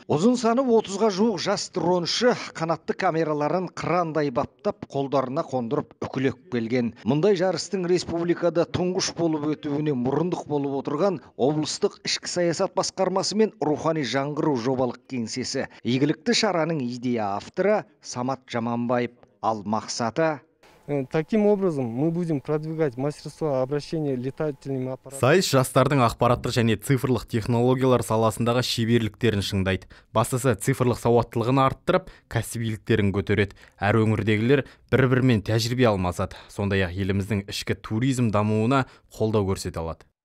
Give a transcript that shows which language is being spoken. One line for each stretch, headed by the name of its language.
Kazakh: Ұзын саны 30-ға жуық жас дроншы қанатты камераларын қырандай баптап, қолдарына қондырып үкілек келген. Мұндай жарыстың республикада тұңғыш болып өтуіне мұрындық болып отырған облыстық ішкі саясат басқармасы мен рухани жаңғыру жобалық кеңсесі. Игілікті шараның идея авторы Самат Жаманбаев, ал мақсаты
Russian: таким образом мы будем продвигать мастерство обращения летательными аппаратами.
Kazakh: Сайыс жастардың ақпараттық және цифрлық технологиялар саласындағы шеберліктерін шыңдайды. Бастысы цифрлық сауаттылығын арттырып, кәсібиліктерін көтереді. Әр өңірдегілер бір-бірімен тәжірибе алмасады. Сондай-ақ еліміздің ішкі туризм дамуына қолдау көрсете алады.